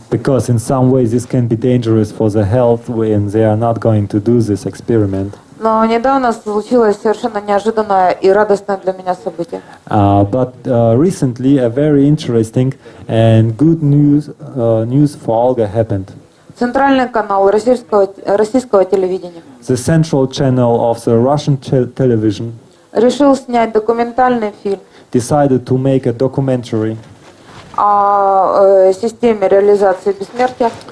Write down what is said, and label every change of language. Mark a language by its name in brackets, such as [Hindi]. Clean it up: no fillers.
[English] Because in some way this can be dangerous for the health, and they are not going to do this experiment. [Russian] Но недавно случилось совершенно неожиданное и радостное для меня событие. [English] But recently a very interesting and good news news for Olga happened. [Russian] Центральный канал российского телевидения. [English] The central channel of the Russian television. [Russian] Решил снять документальный фильм. [English] Decided to make a documentary. [Russian] О системе реализации бессмертия.